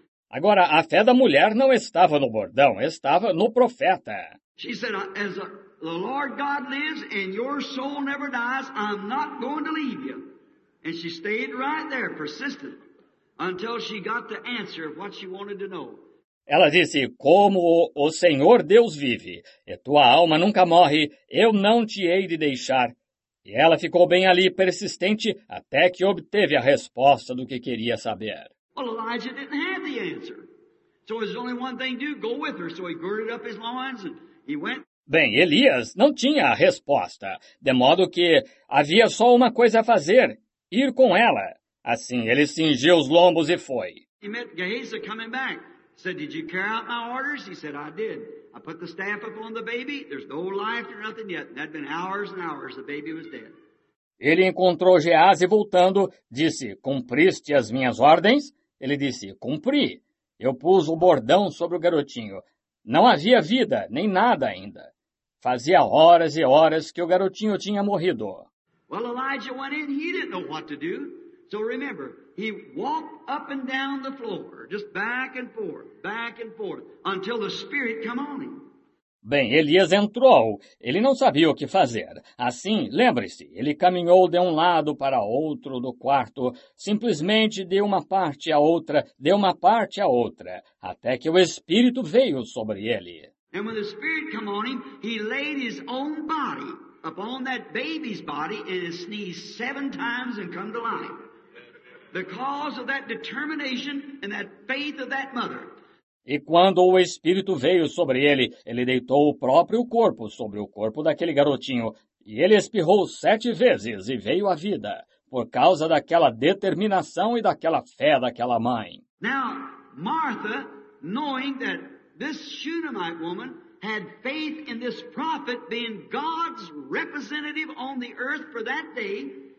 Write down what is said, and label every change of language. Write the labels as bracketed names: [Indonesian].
[Portuguese] Agora, a fé da mulher não estava no bordão, estava no profeta. [English] She said, as the Lord God lives and your soul never dies, I'm not going to leave you. And she stayed right there, persistent. Until she got the answer of what she wanted to know. [Portuguese] Ela disse, como o Senhor Deus vive, e tua alma nunca morre, eu não te hei de deixar. E ela ficou bem ali, persistente, até que obteve a resposta do que queria saber. [English] Well, Elijah didn't have the answer. So there's only one thing to do, go with her. So he girded up his loins and he went. [Portuguese] Bem, Elias não tinha a resposta, de modo que havia só uma coisa a fazer, ir com ela. Assim, ele cingiu os lombos e foi. [English] He met Gehazi coming back. Said, did you carry out my orders? He said, I did. I put the staff up on the baby. There's no life or nothing yet. And that'd been hours and hours. The baby was dead. [Portuguese] Ele encontrou Gehazi voltando. Disse, cumpriste as minhas ordens? Ele disse, cumpri. Eu pus o bordão sobre o garotinho. Não havia vida, nem nada ainda. Fazia horas e horas que o garotinho tinha morrido. [English] Well, Elijah went in. He didn't know what to do. So remember, he walked up and down the floor, just back and forth, until the Spirit came on him. [Portuguese] Bem, Elias entrou. Ele não sabia o que fazer. Assim, lembre-se, ele caminhou de um lado para outro do quarto, simplesmente de uma parte a outra, de uma parte a outra, até que o Espírito veio sobre ele. [English] And when the Spirit came on him, he laid his own body upon that baby's body and it sneezed 7 times and come to life. Because of that determination and that faith of that mother. [Portuguese] E quando o Espírito veio sobre ele, ele deitou o próprio corpo sobre o corpo daquele garotinho. E ele espirrou 7 vezes e veio à vida, por causa daquela determinação e daquela fé daquela mãe. [English] Now, Martha, knowing that this Shunammite woman had faith in this prophet being God's representative on the earth for that day,